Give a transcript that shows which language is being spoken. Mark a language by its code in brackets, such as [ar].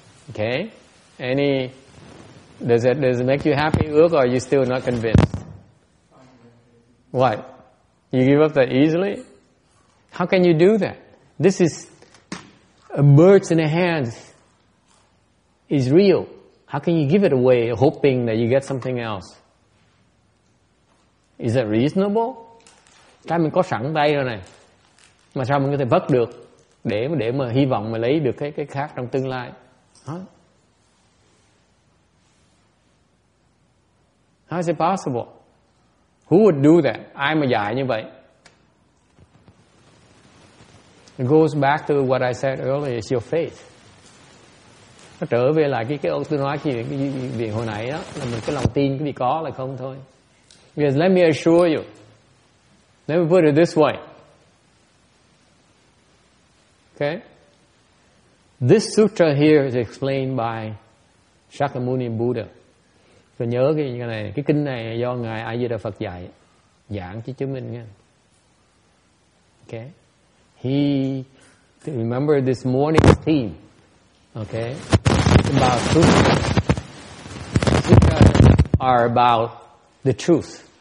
[en] Okay? Does it make you happy, Uke, or are you still not convinced? What? You give up that easily? How can you do that? This is a bird in the hand is real. How can you give it away hoping that you get something else? Is that reasonable? [vi] Cái mình có sẵn tay rồi này, mà sao mình có thể vất được để mà hy vọng mà lấy được cái khác trong tương lai? [en] Huh? How is it possible? Who would do that? [vi] Ai mà dạy như vậy? [en] It goes back to what I said earlier. It's your faith. [vi] Nó trở về lại cái ông tôi nói cái hồi nãy đó, là mình cái lòng tin cái gì có là không thôi. [en] Because let me assure you. Let me put it this way. Okay? This sutra here is explained by Shakyamuni Buddha. [vi] Tôi nhớ cái này, cái kinh này do Ngài Ajita Phật dạy, giảng cho chúng mình nghe. [en] Okay? He, remember this morning's theme. Okay? It's about sutras. Sutras are about the truth.